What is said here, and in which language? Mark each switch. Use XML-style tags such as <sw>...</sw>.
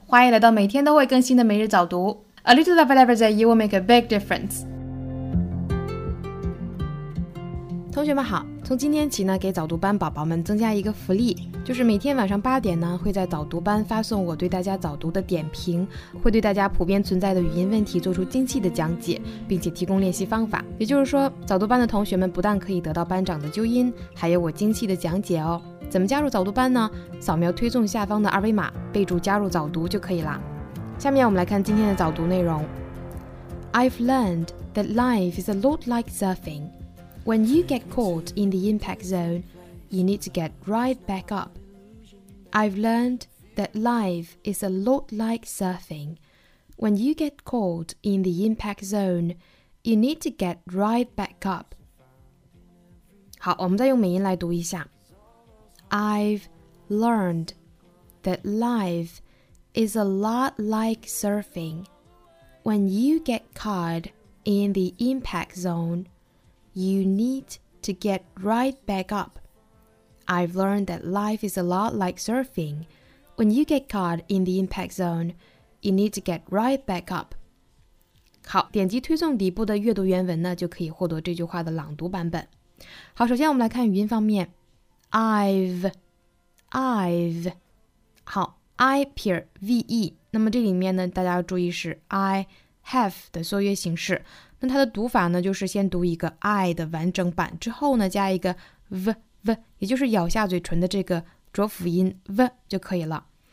<zh>欢迎来到每天都会更新的每日早读。</zh> <en>A little of every day will make a big difference.</en> <zh>同学们好，从今天起呢，给早读班宝宝们增加一个福利，就是每天晚上八点呢，会在早读班发送我对大家早读的点评，会对大家普遍存在的语音问题做出精细的讲解，并且提供练习方法。也就是说，早读班的同学们不但可以得到班长的纠音，还有我精细的讲解哦。怎么加入早读班呢？扫描推送下方的二维码，备注加入早读就可以了。下面我们来看今天的早读内容。</zh> <en>I've learned that life is a lot like surfing. When you get caught in the impact zone, you need to get right back up. I've learned that life is a lot like surfing. When you get caught in the impact zone, you need to get right back up.</en> <zh>好，我们再用美音来读一下。</zh> <en>I've learned that life is a lot like surfing. When you get caught in the impact zone, you need to get right back up. I've learned that life is a lot like surfing. When you get caught in the impact zone, you need to get right back up.</en> <zh>好，点击推送底部的阅读原文呢，就可以获得这句话的朗读版本。好，首先我们来看语音方面。</zh> <en>I've</en> <zh>好 I 撇 VE 那么这里面呢大家要注意是</zh> <en>I have</en> <zh>的缩约形式那它的读法呢就是先读一个 I 的完整版之后呢加一个 V 也就是咬下嘴唇的这个浊辅音 V 就可以了</zh>